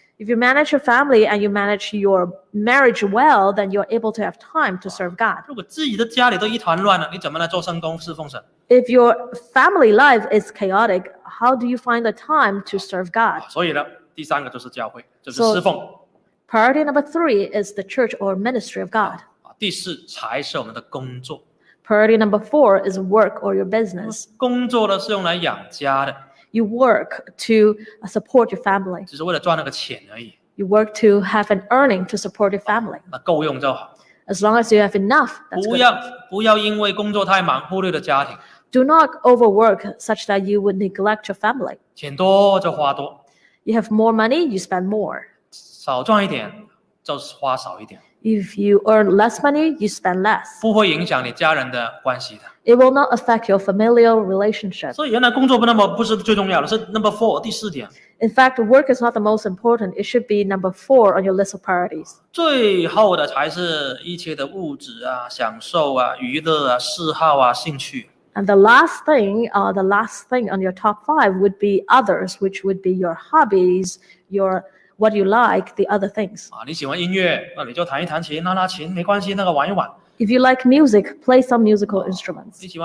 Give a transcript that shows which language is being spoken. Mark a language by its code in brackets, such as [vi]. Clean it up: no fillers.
[en] If you manage your family and you manage your marriage well, then you're able to have time to serve God. [zh] 如果自己的家里都一团乱了，你怎么来做圣工侍奉神？ [en] If your family life is chaotic, how do you find the time to serve God? [zh] 所以呢，第三个就是教会，就是侍奉。 [en] Priority number three is the church or ministry of God. [zh] 第四才是我们的工作。 [en] Priority number four is work or your business. [zh] 工作呢是用来养家的。 [en] You work to support your family. [zh] 只是为了赚那个钱而已。 [en] You work to have an earning to support your family. [zh] 那够用就好。 [en] As long as you have enough, that's good. [zh] 不要因为工作太忙忽略了家庭。 [en] Do not overwork such that you would neglect your family. [zh] 钱多就花多。 [en] You have more money, you spend more. [zh] 少赚一点就花少一点。 [en] If you earn less money, you spend less. [zh] 不会影响你家人的关系的。 [en] It will not affect your familial relationship. [zh] 所以原来工作不是最重要的，是 [en] number four， [zh] 第四点。 [en] In fact, work is not the most important. It should be number four on your list of priorities. [zh] 最后的才是一切的物质啊、享受啊、娱乐啊、嗜好啊、兴趣。 [en] And the last thing, on your top five would be others, which would be your hobbies, your what you like, the other things. [zh] 啊，你喜欢音乐，那你就弹一弹琴、拉拉琴，没关系，那个玩一玩。 [en] If you like music, play some musical instruments.